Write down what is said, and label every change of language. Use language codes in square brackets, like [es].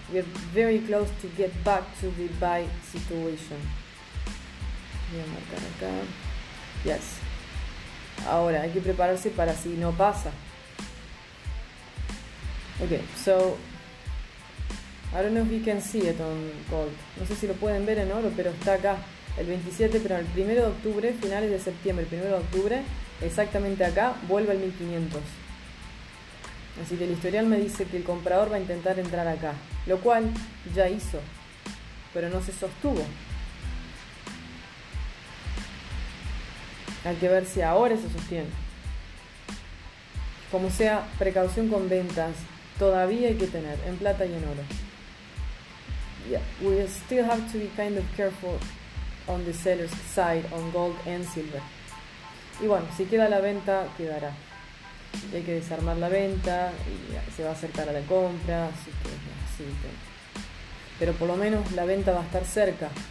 [en] We're very close to get back to the buy situation. [es] Voy a marcar acá. Yes. Ahora hay que prepararse para si no pasa. [en] Okay, so I don't know if you can see it on gold. [es] No sé si lo pueden ver en oro, pero está acá. El 27, pero el 1 de octubre, finales de septiembre, el 1 de octubre, exactamente acá, vuelve al 1500. Así que el historial me dice que el comprador va a intentar entrar acá. Lo cual ya hizo, pero no se sostuvo. Hay que ver si ahora se sostiene. Como sea, precaución con ventas. Todavía hay que tener en plata y en oro. [en] Yeah, we still have to be kind of careful on the seller's side on gold and silver. [es] Y bueno, si queda la venta, quedará. Y hay que desarmar la venta y se va a acercar a la compra, así que así. Pero por lo menos la venta va a estar cerca.